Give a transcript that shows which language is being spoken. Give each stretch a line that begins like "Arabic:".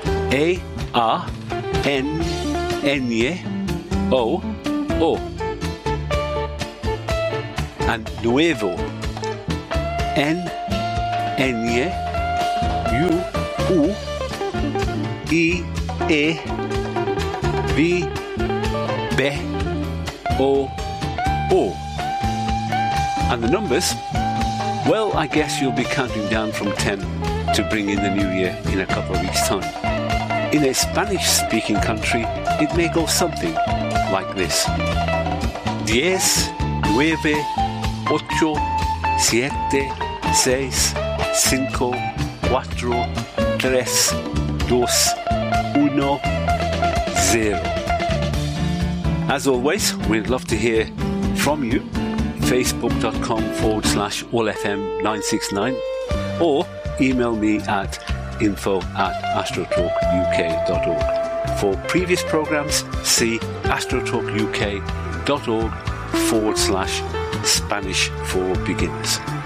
English: A A N N Y O O and Nuevo N N Y U U E A V B O O and the numbers. Well, I guess you'll be counting down from 10 to bring in the new year in a couple of weeks' time. In a Spanish-speaking country, it may go something like this.
Spanish: Diez, nueve, ocho, siete, seis, cinco, cuatro, tres, dos, uno, zero.
English: As always, we'd love to hear from you. Facebook.com/allfm969 or email me at info@astrotalkuk.org. For previous programs, see astrotalkuk.org/Spanish for beginners.